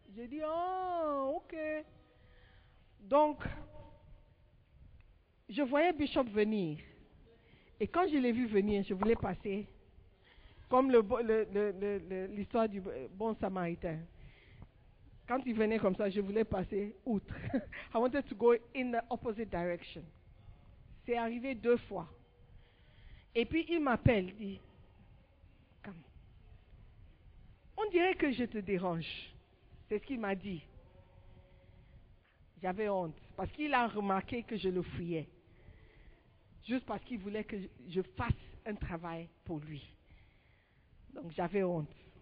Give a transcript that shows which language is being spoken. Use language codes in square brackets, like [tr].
[fr] Je dis, oh, ok. Donc, je voyais Bishop venir. Et quand je l'ai vu venir, je voulais passer, comme l'histoire du bon samaritain. Quand il venait comme ça, je voulais passer outre. [en] I wanted to go in the opposite direction. [fr] C'est arrivé deux fois. Et puis il m'appelle, il dit, come. On dirait que je te dérange. C'est ce qu'il m'a dit. J'avais honte, parce qu'il a remarqué que je le fuyais. Juste parce qu'il voulait que je fasse un travail pour lui. Donc j'avais honte.